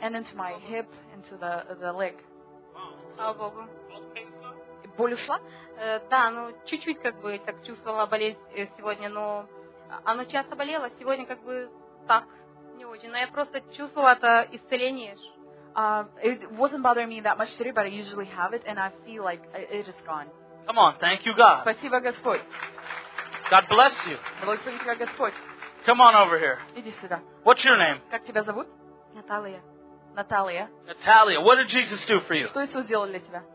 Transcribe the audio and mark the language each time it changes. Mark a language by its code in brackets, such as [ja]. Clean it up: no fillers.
[en] and into my hip, into the leg. [ru] Слава Богу. Боль ушла? Да, ну чуть-чуть как бы так чувствовала болезнь сегодня, но оно часто болело, сегодня как бы так. Не очень, но я просто чувствовала это исцеление. [en] It wasn't bothering me that much today, but I usually have it, and I feel like it is gone. Come on, thank you, God. [ru] Спасибо, Господь. [en] God bless you. [ru] Благослови тебя, Господь. [en] Come on over here. [ru] Иди сюда. [en] What's your name? [ru] Как тебя зовут? Наталья. Наталья. [en] Наталья, what did Jesus do for you? [ru] Что Иисус сделал для тебя?